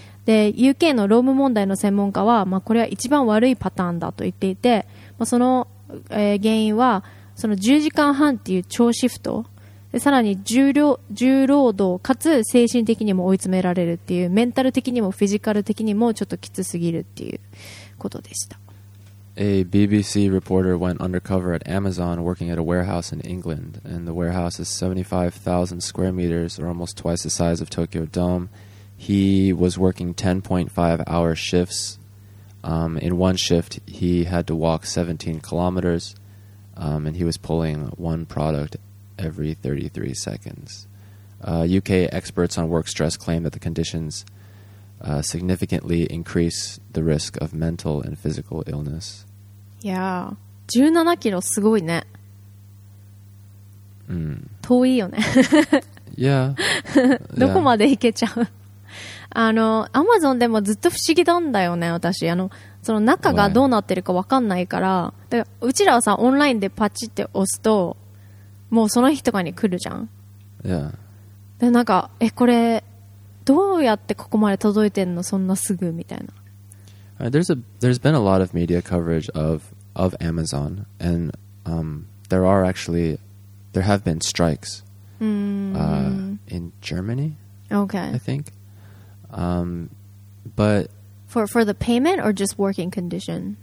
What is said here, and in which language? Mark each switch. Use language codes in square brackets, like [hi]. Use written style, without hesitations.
[ja] で UK の労務問題の専門家は、まあ、これは一番悪いパターンだと言っていて、まあ、その、原因はその10時間半っていう長シフトで、さらに重労働かつ精神的にも追い詰められるっていう、メンタル的にもフィジカル的にもちょっときつすぎるっていうことでした。 [en] A BBC reporter went undercover at Amazon working at a warehouse in England, and the warehouse is 75,000 square meters, or almost twice the size of Tokyo Dome. He was working 10.5 hour shifts. In one shift he had to walk 17 kilometers, and he was pulling one productevery 33 seconds. UK experts on work stress claim that the conditions significantly increase the risk of mental and physical illness. Yeah. [ja] 17 kilo, すごいね。遠いよね。 [en] Yeah. [ja] どこまで行けちゃう？あの、Amazon でもずっと不思議なんだよね、私。あの、その中がどうなってるかわかんないから。だから、うちらはさ、オンラインでパチって押すと、もうその日とかに来るじゃん。いや。でなんか、え、これどうやってここまで届いてんの、そんなすぐみたいな。 [en] There's been a lot of media coverage of Amazon, and there have been strikes in Germany. Okay. I think. But for the payment or just working condition?